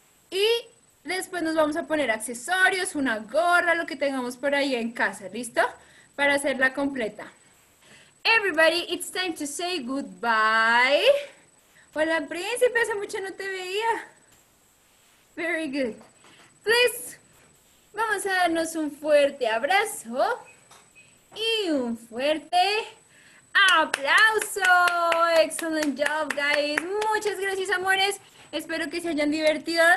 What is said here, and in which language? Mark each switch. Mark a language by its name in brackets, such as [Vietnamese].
[Spanish] Y después nos vamos a poner accesorios, una gorra, lo que tengamos por ahí en casa, ¿listo? Para hacerla completa. [English] Everybody, it's time to say goodbye. [Spanish] Hola, príncipe, hace mucho no te veía. [English] Very good. Please, [Spanish] vamos a darnos un fuerte abrazo y un fuerte aplauso. [English] Excellent job, guys. [Spanish] Muchas gracias, amores. Espero que se hayan divertido.